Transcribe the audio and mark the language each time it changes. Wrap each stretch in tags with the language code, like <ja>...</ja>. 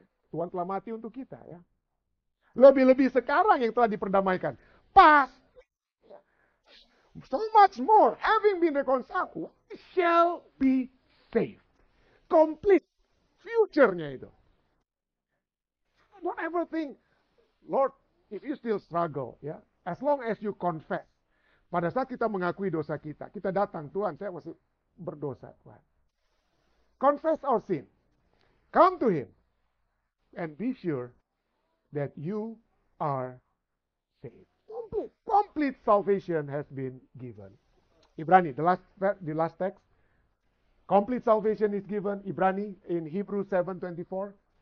<id>Tuhan telah mati untuk kita, ya. Lebih-lebih sekarang yang telah diperdamaikan. Pas.</id> <en>So much more. Having been reconciled, we shall be saved. Complete.</en> <id>Future-nya itu.</id> <en>Don't ever think, Lord, if you still struggle, ya, as long as you confess.</en> <id>Pada saat kita mengakui dosa kita, kita datang, Tuhan, saya masih berdosa, Tuhan.</id> <en>Confess our sin. Come to him. And be sure that you are saved. Complete salvation has been given. Ibrani, the last text. Complete salvation is given. Ibrani in Hebrews 7:24.</en>